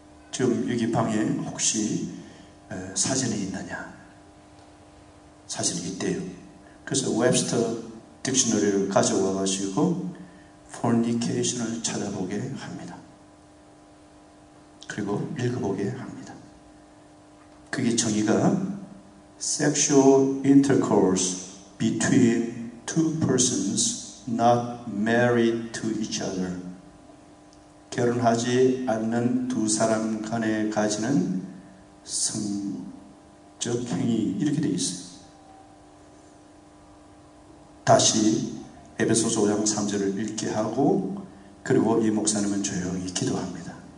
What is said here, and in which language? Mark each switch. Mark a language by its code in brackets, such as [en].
[ko] 지금 여기 방에 혹시 사진이 있느냐? 사진이 있대요. 그래서 웹스터 딕셔너리를 가져와가지고 fornication을 찾아보게 합니다. 그리고 읽어보게 합니다. 그게 정의가 [en] sexual intercourse between two persons not married to each other. [ko] 결혼하지 않는 두 사람 간에 가지는 성적 행위 이렇게 돼 있어요. 다시 에베소서 5장 3절을 읽게 하고 그리고 이 목사님은 조용히 기도합니다.